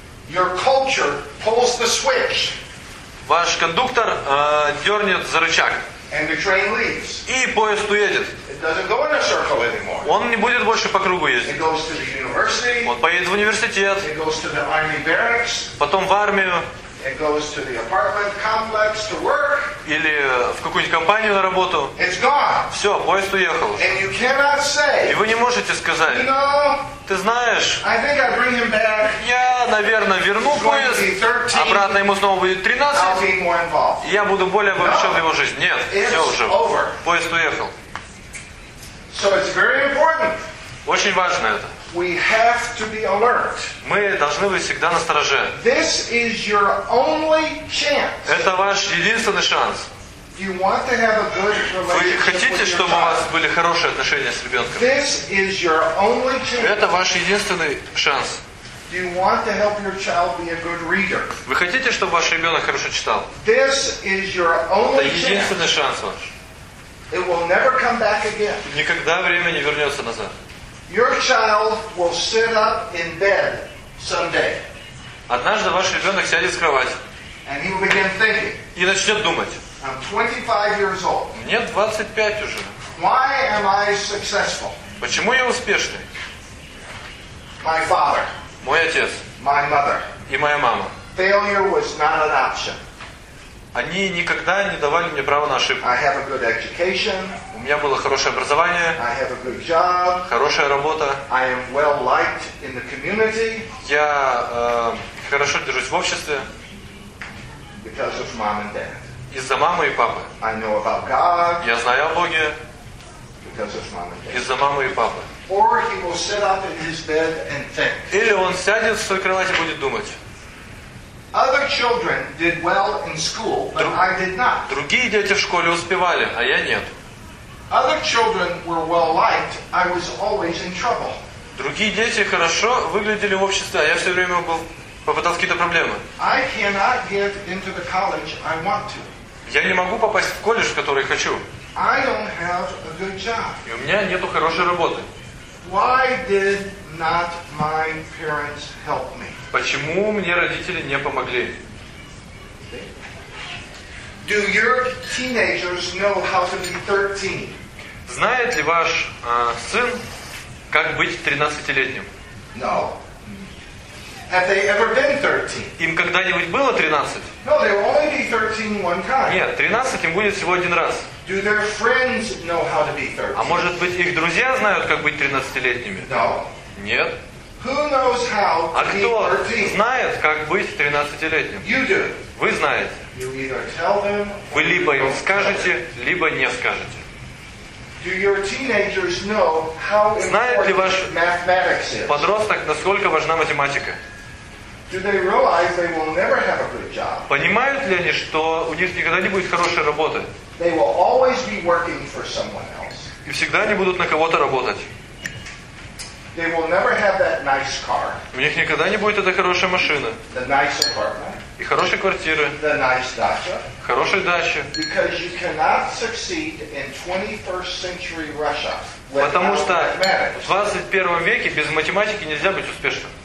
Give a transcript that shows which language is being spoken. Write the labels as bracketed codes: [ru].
[en] your culture pulls the switch. [ru] Ваш кондуктор дернет за рычаг. [en] And the train leaves. [ru] И поезд уедет. [en] It doesn't go in a circle anymore. [ru] Он не будет больше по кругу ездить. [en] It goes to the university. [ru] Он поедет в университет. [en] It goes to the army barracks. [ru] Потом в армию. [en] It goes to the apartment complex to work. [ru] Или в какую-нибудь компанию на работу. [en] It's gone. [ru] Все, поезд уехал. [en] And you cannot say. [ru] И вы не можете сказать. [en] You know, [ru] ты знаешь. [en] I think I bring him back. [ru] Я, наверное, верну поезд. Обратно ему снова будет 13. [en] I'll be more involved. [ru] Я буду более вовлечен в его жизнь. Нет, [en] it's [ru] все уже. [en] Over. [ru] Поезд уехал. [en] So it's very important. [ru] Очень важно это. [en] We have to be alert. [ru] Мы должны быть всегда настороже. [en] This is your only chance. [ru] Это ваш единственный шанс. [en] You want to have a good relationship. [ru] Вы хотите, чтобы у вас были хорошие отношения с ребенком? [en] This is your only chance. [ru] Это ваш единственный шанс. [en] Do you want to help your child be a good reader? [ru] Вы хотите, чтобы ваш ребенок хорошо читал? [en] This is your only chance. [ru] Это единственный шанс ваш. [en] It will never come back again. [ru] Никогда время не вернется назад. [en] Your child will sit up in bed someday. [ru] Однажды ваш ребенок сядет в кровать. [en] And he will begin thinking. [ru] И начнет думать. [en] I'm 25 years old. [ru] Мне 25 уже. [en] Why am I successful? [ru] Почему я успешный? [en] My father. [ru] Мой отец. [en] My mother. [ru] И моя мама. [en] Failure was not an option. [ru] Они никогда не давали мне права на ошибку. [en] I have a good education. [ru] У меня было хорошее образование, [en] I have a good job. [ru] Хорошая работа. [en] I am well liked in the community. [ru] Я хорошо держусь в обществе. [en] Because of mom and dad. [ru] Из-за мамы и папы. [en] I know about God. [ru] Я знаю о Боге. [en] Because of mom and dad. [ru] Из-за мамы и папы. [en] Or he will sit up in his bed and think. [ru] Или он сядет в своей кровати и будет думать. [en] Other children did well in school, but I did not. [ru] Другие дети в школе успевали, а я нет. [en] Other children were well liked, I was always in trouble. [ru] Другие дети хорошо выглядели в обществе, а я все время попадал в какие-то проблемы. [en] I cannot get into the college I want to. [ru] Я не могу попасть в колледж, который хочу. [en] I don't have a good job. [ru] И у меня нету хорошей работы. [en] Why did not my parents help me? [ru] Почему мне родители не помогли? [en] Do your teenagers know how to be 13? [ru] Знает ли ваш сын, как быть 13-летним? [en] No. Have they ever been 13? [ru] Им когда-нибудь было 13? [en] No, they will only be 13 one time. [ru] Нет, 13 им будет всего один раз. [en] Do their friends know how to be 13? [ru] А может быть, их друзья знают, как быть 13-летними? [en] No. [ru] Нет. [en] Who knows how to [ru] а кто знает, как быть 13-летним? [en] You do. [ru] Вы знаете. [en] You either tell them, [ru] вы либо им скажете, либо не скажете. [en] Do your teenagers know how [ru] знает ли ваш [en] mathematics is? [ru] Подросток, насколько важна математика? Понимают ли они, что у них никогда не будет хорошей работы? [en] They will always be working for someone else. [ru] И всегда они будут на кого-то работать. [en] They will never have that nice car. [ru] У них никогда не будет этой хорошей машины. [en] The nice apartment. [ru] И хорошей квартиры. [en] The nice dacha. [ru] Хорошей дачи. [en] Because you cannot succeed in 21st century Russia. [ru] Потому что в 21 веке без математики нельзя быть успешным.